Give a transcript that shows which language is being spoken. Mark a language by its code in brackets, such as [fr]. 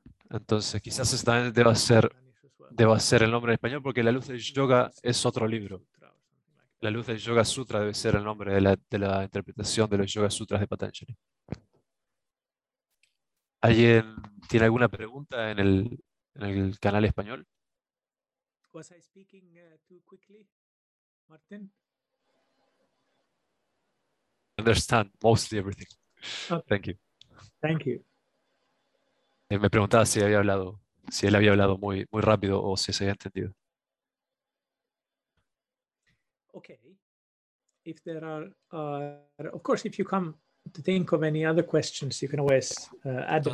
[es] Entonces quizás esta deba ser el nombre en español porque La Luz del Yoga es otro libro. La Luz del Yoga Sutra debe ser el nombre de la interpretación de los Yoga Sutras de Patanjali. ¿Alguien tiene alguna pregunta en el canal español? [en] Was I speaking too quickly, Martin? I understand mostly everything. Okay. Thank you. Thank you. [es] Me preguntaba si él había hablado muy, muy rápido o si se había entendido. [en] Okay. If there are, of course, if you come to think of any other questions, you can always add them.